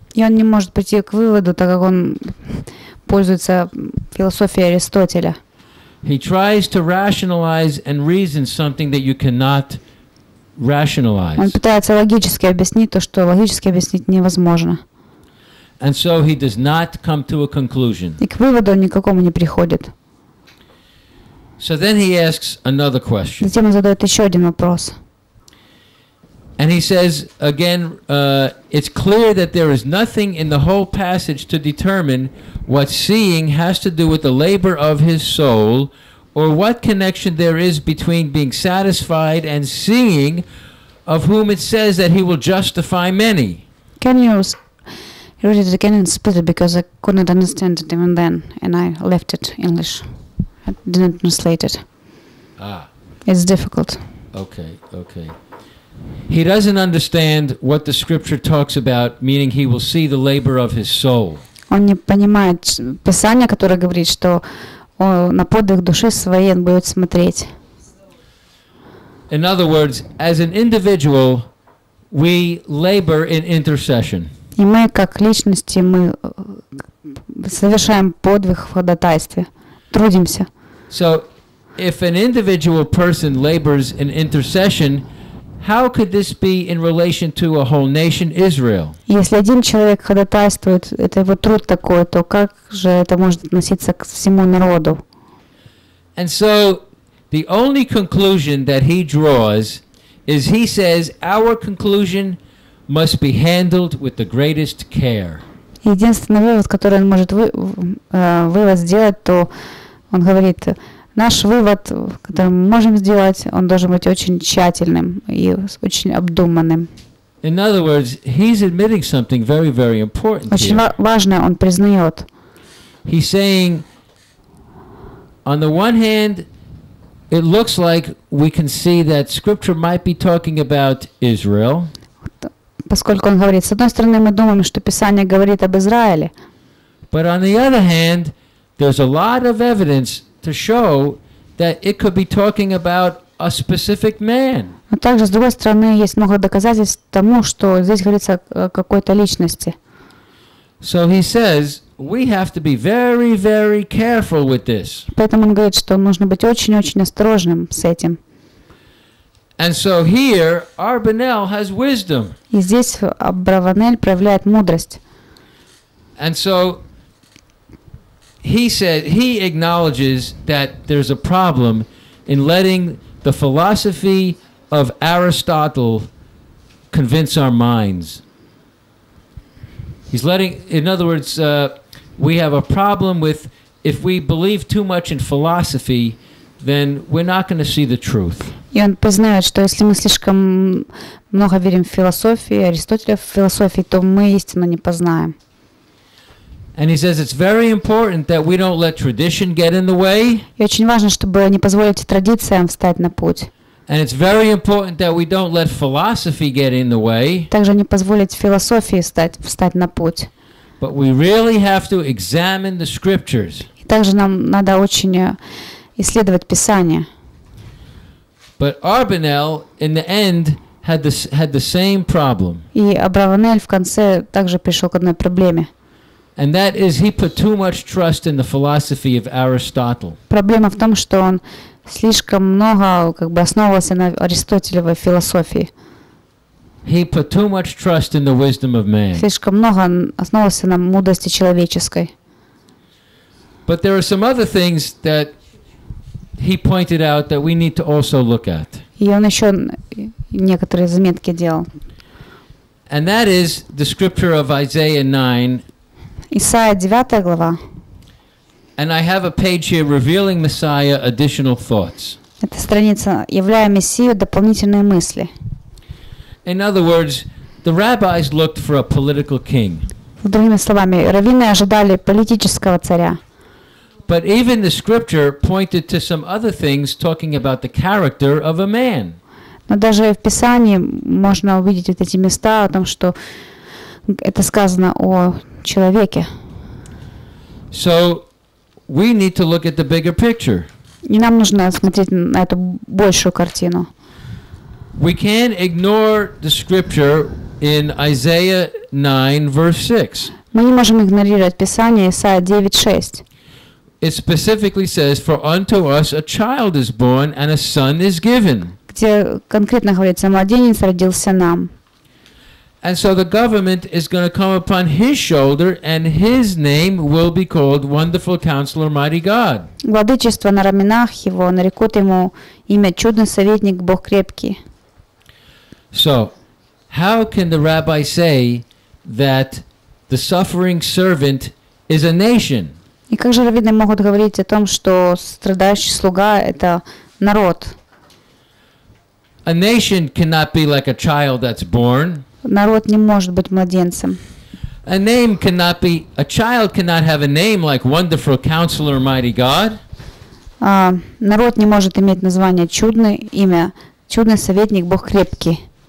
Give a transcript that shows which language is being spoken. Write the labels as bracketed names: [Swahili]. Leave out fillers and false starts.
[Russian] И он не может прийти к выводу, так как он пользуется философией Аристотеля. [English] He tries to rationalize and reason something that you cannot rationalize. [Russian] Он пытается логически объяснить то, что логически объяснить невозможно. [English] And so he does not come to a conclusion. [Russian] И к выводу он никакому не приходит. [English] So then he asks another question. [Russian] Затем он задает еще один вопрос. [English] And he says again, it's clear that there is nothing in the whole passage to determine what seeing has to do with the labor of his soul, or what connection there is between being satisfied and seeing, of whom it says that he will justify many. Can you read it again in Spanish, because I couldn't understand it even then, and I left it English. I didn't translate it. Ah. It's difficult. Okay. He doesn't understand what the scripture talks about, meaning he will see the labor of his soul. [Russian] Он не понимает Писание, которое говорит, что на подвиг души своей он будет смотреть. [English] In other words, as an individual, we labor in intercession. [Russian] И мы как личности мы совершаем подвиг в ходатайстве, трудимся. [English] So, if an individual person labors in intercession, how could this be in relation to a whole nation, Israel? [Russian] Если один человек ходатайствует, это его труд такой, то как же это может относиться к всему народу? [English] And so, the only conclusion that he draws is he says our conclusion must be handled with the greatest care. [Russian] Единственный вывод, который он может вывод сделать, то он говорит, наш вывод, который мы можем сделать, он должен быть очень тщательным и очень обдуманным. [English] In other words, he's admitting something very, very important here. [Russian] Очень важное он признает. [English] He's saying, on the one hand, it looks like we can see that Scripture might be talking about Israel. [Russian] Поскольку он говорит, с одной стороны, мы думаем, что Писание говорит об Израиле. [English] But on the other hand, there's a lot of evidence to show that it could be talking about a specific man. [Russian] Но также, с другой стороны, есть много доказательств тому, что здесь говорится о какой-то личности. [English] So he says, we have to be very, very careful with this. [Russian] Поэтому он говорит, что нужно быть очень-очень осторожным с этим. [English] And so here, Арбанель has wisdom. [Russian] И здесь Арбанель проявляет мудрость. [English] And so he said, he acknowledges that there's a problem in letting the philosophy of Aristotle convince our minds. He's letting, in other words, we have a problem with if we believe too much in philosophy, then we're not going to see the truth. [Russian] И он признает, что если мы слишком много верим в философию, Аристотеля в философии, то мы истину не познаем. [English] And he says it's very important that we don't let tradition get in the way. [Russian] И очень важно, чтобы не позволить традициям встать на путь. [English] And it's very important that we don't let philosophy get in the way. [Russian] Также не позволить философии встать на путь. [English] But we really have to examine the scriptures. [Russian] И также нам надо очень исследовать Писание. [English] But Арбанель in the end had the same problem. [Russian] И Арбанель в конце также пришел к одной проблеме. [English] And that is he put too much trust in the philosophy of Aristotle. [Russian] Проблема в том, что он слишком много как бы основывался на Аристотелевой философии. [English] He put too much trust in the wisdom of man. [Russian] Слишком много основывался на мудрости человеческой. [English] But there are some other things that he pointed out that we need to also look at. [Russian] И он еще некоторые заметки делал. [English] And that is the scripture of Isaiah 9. [Russian] Исаия 9 глава. [English] And I have a page here revealing Messiah additional thoughts. [Russian] Это страница являя Мессию дополнительные мысли. [English] In other words, the rabbis looked for a political king. [Russian] Другими словами, раввины ожидали политического царя. [English] But even the scripture pointed to some other things talking about the character of a man. [Russian] Но даже в Писании можно увидеть вот эти места о том, что это сказано о человеке. [English] So we need to look at the bigger picture. [Russian] И нам нужно смотреть на эту большую картину. [English] We can't ignore the scripture in Isaiah 9 verse 6. [Russian] Мы не можем игнорировать Писание Исаия 9:6. [English] It specifically says, "For unto us a child is born, and a son is given." [Russian] Где конкретно говорится, младенец родился нам. [English] And so the government is going to come upon his shoulder, and his name will be called Wonderful Counselor, Mighty God. [Russian] Владычество на раменах его, нарекут ему имя Чудный Советник, Бог Крепкий. [English] So, how can the rabbi say that the suffering servant is a nation? [Russian] И как же раввины могут говорить о том, что страдающий слуга — это народ? [English] A nation cannot be like a child that's born. [Russian] Народ не может быть младенцем. [English] A name cannot be, a child cannot have a name like Wonderful Counselor, Mighty God. [Russian] Народ не может иметь название чудное имя, чудный советник, Бог крепкий.